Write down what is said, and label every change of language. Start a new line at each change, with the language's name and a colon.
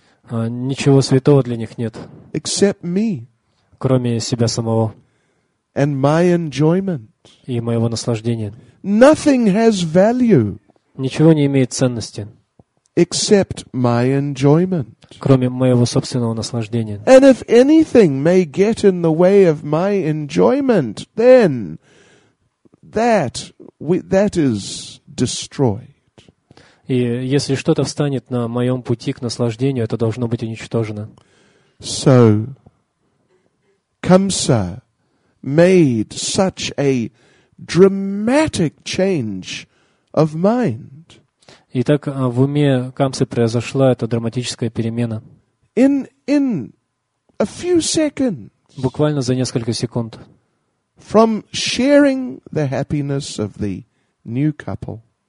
Russian: Ничего святого для них нет.
English: Except me.
Russian: Кроме себя самого.
English: And my enjoyment.
Russian: И моего наслаждения.
English: Nothing has value.
Russian: Ничего не имеет ценности.
English: Except my enjoyment.
Russian: Кроме моего собственного наслаждения.
English: And if anything may get in the way of my enjoyment, then that is destroyed.
Russian: И если что-то встанет на моем пути к наслаждению, это должно быть уничтожено.
English: So Kamsa made such a dramatic change of mind.
Russian: Итак, в уме Камсы произошла эта драматическая перемена.
English: In a few seconds.
Russian: Буквально за несколько секунд.
English: From sharing the happiness of the new couple.